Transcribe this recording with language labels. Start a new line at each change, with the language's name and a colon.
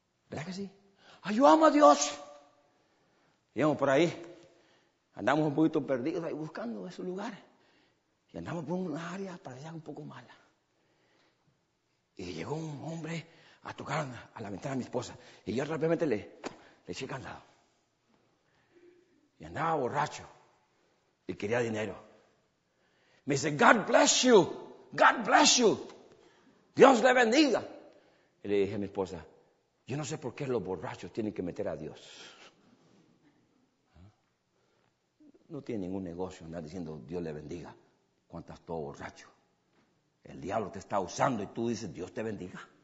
Spanish: ¿Verdad que sí? Ay, yo amo a Dios. Íbamos por ahí, andamos un poquito perdidos ahí buscando ese lugar. Y andamos por una área para allá un poco mala. Y llegó un hombre a tocar a la ventana de mi esposa. Y yo rápidamente le eché candado. Y andaba borracho y quería dinero. Me dice,
English: God bless you, God bless you.
Spanish: Dios le bendiga. Y le dije a mi esposa, yo no sé por qué los borrachos tienen que meter a Dios. No tiene ningún negocio andar diciendo, Dios le bendiga, cuando estás todo borracho. El diablo te está usando y tú dices, Dios te bendiga.